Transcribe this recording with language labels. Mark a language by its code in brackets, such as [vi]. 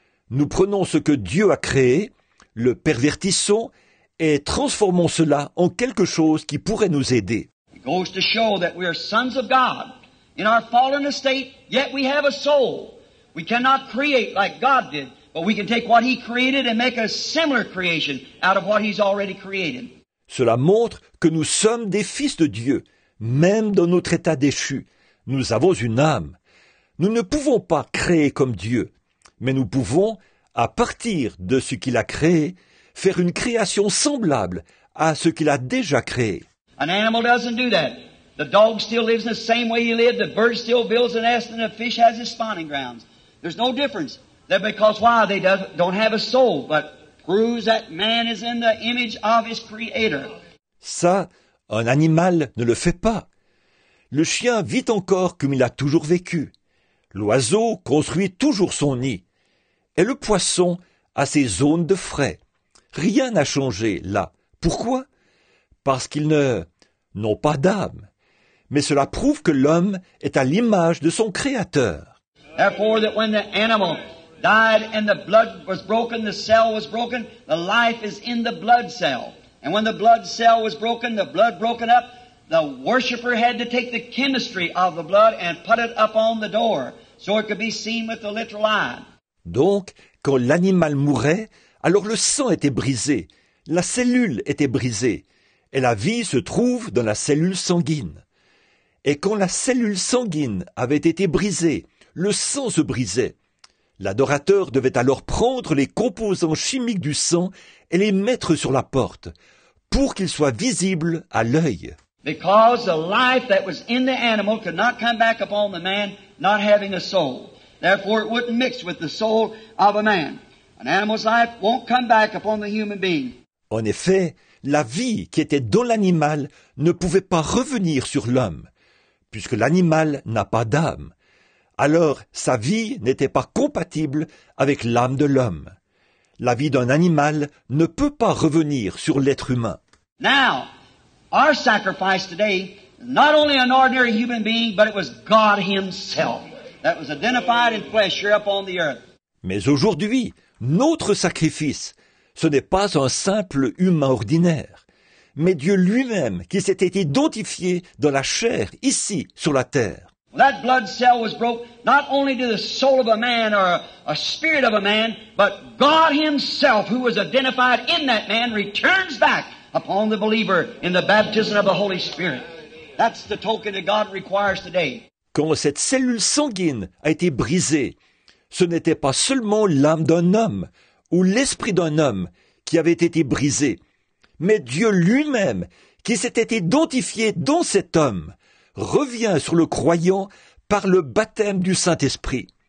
[fr] Nous prenons ce que Dieu a créé, le pervertissons et transformons cela en quelque chose qui pourrait nous aider. [en] It goes to show that we are sons of God. In our fallen estate, yet we have a soul. We cannot create like God did. But we can take what he created and make a similar creation out of what he's already created. [fr] Cela montre que nous sommes des fils de Dieu, même dans notre état déchu. Nous avons une âme. Nous ne pouvons pas créer comme Dieu, mais nous pouvons, à partir de ce qu'il a créé, faire une création semblable à ce qu'il a déjà créé. [en] An animal doesn't do that. The dog still lives the same way he lived. The bird still builds a nest and the fish has his spawning grounds. There's no difference. That because why they don't have a soul, but proves that man is in the image of his creator. [fr] Ça, un animal ne le fait pas. Le chien vit encore comme il a toujours vécu. L'oiseau construit toujours son nid. Et le poisson a ses zones de frais. Rien n'a changé là. Pourquoi? Parce qu'ils n'ont pas d'âme. Mais cela prouve que l'homme est à l'image de son créateur. [en] Therefore, that when the animal died and the blood was broken, the cell was broken, the life is in the blood cell. And when the blood cell was broken, the blood broken up, the worshiper had to take the chemistry of the blood and put it up on the door so it could be seen with the literal eye. [fr] Donc, quand l'animal mourait, alors le sang était brisé, la cellule était brisée, et la vie se trouve dans la cellule sanguine. Et quand la cellule sanguine avait été brisée, le sang se brisait. L'adorateur devait alors prendre les composants chimiques du sang et les mettre sur la porte pour qu'ils soient visibles à l'œil. [en] Because the life that was in the animal could not come back upon the man not having a soul. Therefore, it wouldn't mix with the soul of a man. An animal's life won't come back upon the human being. [fr] En effet, la vie qui était dans l'animal ne pouvait pas revenir sur l'homme, puisque l'animal n'a pas d'âme. Alors, sa vie n'était pas compatible avec l'âme de l'homme. La vie d'un animal ne peut pas revenir sur l'être humain. [en] Now, our sacrifice today, not only an ordinary human being, but it was God Himself that was identified in flesh here upon the earth. [fr] Mais aujourd'hui, notre sacrifice, ce n'est pas un simple humain ordinaire, mais Dieu lui-même qui s'était identifié dans la chair ici sur la terre. [en] That blood cell was broke not only to the soul of a man or a spirit of a man, but God Himself, who was identified in that man, returns back upon the believer in the baptism of the Holy Spirit. That's the token that God requires today. [fr] Quand cette cellule sanguine a été brisée, ce n'était pas seulement l'âme d'un homme ou l'esprit d'un homme qui avait été brisé, mais Dieu lui-même, qui s'était identifié dans cet homme, revient sur le croyant par le baptême du Saint-Esprit.